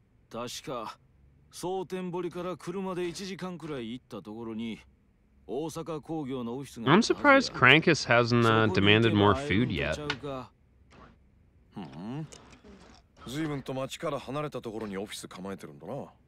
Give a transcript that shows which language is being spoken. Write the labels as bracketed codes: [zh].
[ja] 確か蒼天堀から車で1時間くらい行ったところに大阪工業のオフィスが。 [en] I'm surprised Crankus hasn't demanded more food yet. [ja] ずいぶんと町から離れたところにオフィス構えてるんだな。